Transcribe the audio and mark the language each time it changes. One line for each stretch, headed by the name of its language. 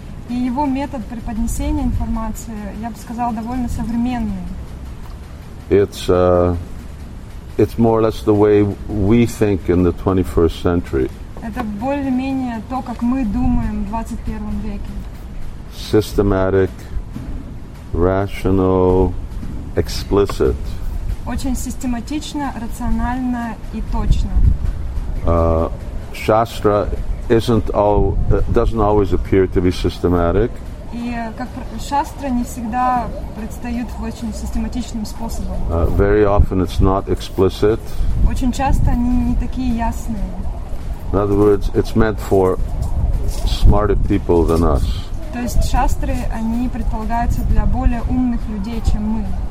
Russian: И его метод преподнесения информации, я бы сказала, довольно современный.
English: It's more or less the way we think in the 21st century.
Russian: Это более-менее то, как мы думаем в 21 веке.
English: Systematic, rational, explicit.
Russian: Очень систематично, рационально и точно.
English: Shastra doesn't always appear to be systematic.
Russian: И как шастра не всегда предстают в очень систематичным способом.
English: Very often it's not explicit.
Russian: Очень часто они не такие ясные.
English: In other words, it's meant for smarter people than us.
Russian: То есть шастры, они предполагаются для более умных людей, чем мы.